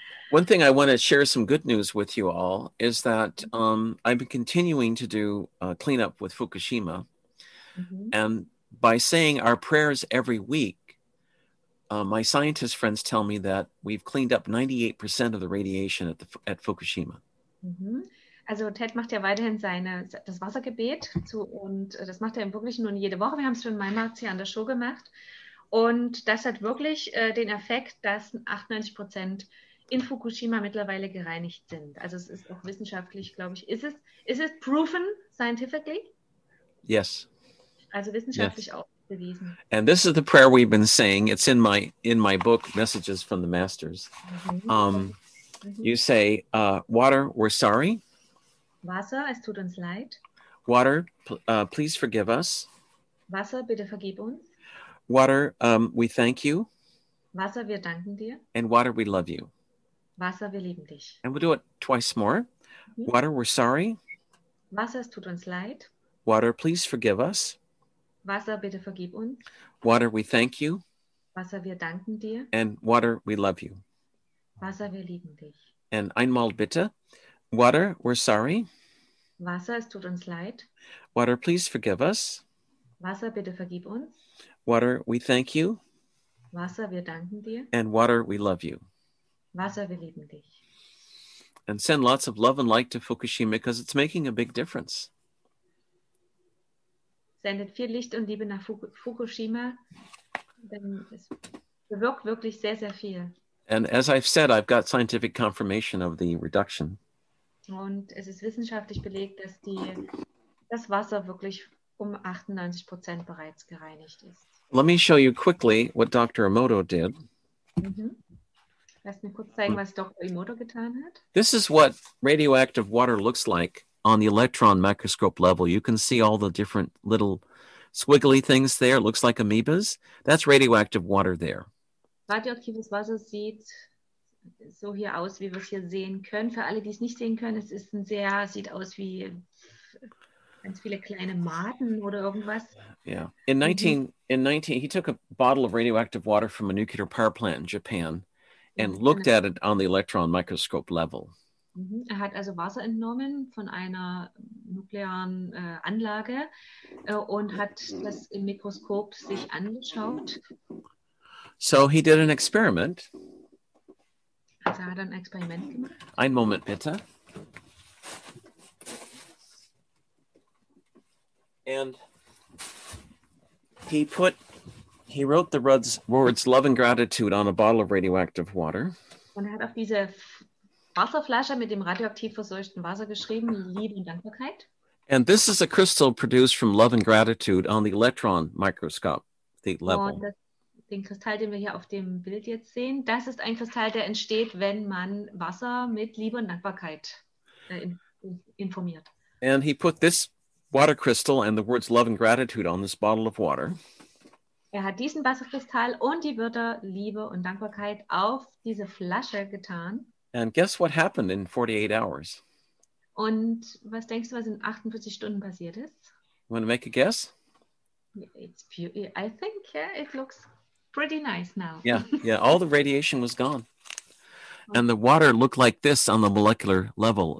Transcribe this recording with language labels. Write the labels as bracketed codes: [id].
[en] One thing I want to share some good news with you all is that I've been continuing to do cleanup with Fukushima. Mm-hmm. And by saying our prayers every week, My scientist friends tell me that we've cleaned up 98% of the radiation at Fukushima. Mm-hmm. [de] Also Ted macht ja weiterhin das Wassergebet zu, und das macht er im Wirklichen nun jede Woche. Wir haben es für Maimarz hier an der Show gemacht. Und das hat wirklich den Effekt, dass 98% in Fukushima mittlerweile gereinigt sind. Also es ist auch wissenschaftlich, glaube ich, ist es [en] proven scientifically? Yes. [de] Also wissenschaftlich [en] yes. [de] auch bewiesen. [en] And this is the prayer we've been saying. It's in my book, Messages from the Masters. Mm-hmm. You say, water, we're sorry. [de] Wasser, es tut uns leid. [en] Water, please forgive us. [de] Wasser, bitte vergib uns. [en] Water, we thank you. [de] Wasser, wir danken dir. [en] And water, we love you. [de] Wasser, wir lieben dich. [en] And we'll do it twice more. Mm-hmm. Water, we're sorry. [de] Wasser, es tut uns leid. [en] Water, please forgive us. [de] Wasser, bitte vergib uns. [en] Water, we thank you. [de] Wasser, wir danken dir. [en] And water, we love you. [de] Wasser, wir lieben dich. [en] And [de] einmal bitte. [en] Water, we're sorry. [de] Wasser, es tut uns leid. [en] Water, please forgive us. [de] Wasser, bitte vergib uns. [en] Water, we thank you. [de] Wasser, wir danken dir. [en] And water, we love you. [de] Wasser, wir lieben dich. [en] And send lots of love and light to Fukushima because it's making a big difference. [de] Sendet viel Licht und Liebe nach Fukushima, denn es bewirkt wirklich sehr, sehr viel. [en] And as I've said, I've got scientific confirmation of the reduction. [de] Und es ist wissenschaftlich belegt, dass das Wasser wirklich um 98% bereits gereinigt ist. [en] Let me show you quickly what Dr. Emoto did. [de] Mm-hmm. Lass mir kurz zeigen, was Dr. Emoto getan hat. [en] This is what radioactive water looks like on the electron microscope level. You can see all the different little squiggly things there. It looks like amoebas. That's radioactive water there. [de] Radioaktives Wasser sieht so hier aus, wie wir es hier sehen können. Für alle, die es nicht sehen können, es ist ein sehr, sieht aus wie ganz viele kleine Maden oder irgendwas. [en] Yeah. In 19, he took a bottle of radioactive water from a nuclear power plant in Japan and looked at it on the electron microscope level. [de] Er hat also Wasser entnommen von einer nuklearen Anlage und hat das im Mikroskop sich angeschaut. [en] So he did an experiment. [de] Also hat ein Experiment gemacht. Ein Moment bitte. [en] And he wrote the words love and gratitude on a bottle of radioactive water. [de] Und hat auf diese Wasserflasche mit dem radioaktiv verseuchten Wasser geschrieben, Liebe und Dankbarkeit. [en] And this is a crystal produced from love and gratitude on the electron microscope, the level. [de] Und den Kristall, den wir hier auf dem Bild jetzt sehen, das ist ein Kristall, der entsteht, wenn man Wasser mit Liebe und Dankbarkeit informiert. [en] And he put this water crystal and the words love and gratitude on this bottle of water. [de] Er hat diesen Wasserkristall und die Wörter Liebe und Dankbarkeit auf diese Flasche getan. [en] And guess what happened in 48 hours? [de] Und was denkst du, was in 48 Stunden passiert ist? [en] Want to make a guess? It's pure, I think it looks pretty nice now. Yeah, all the radiation was gone. And the water looked like this on the molecular level.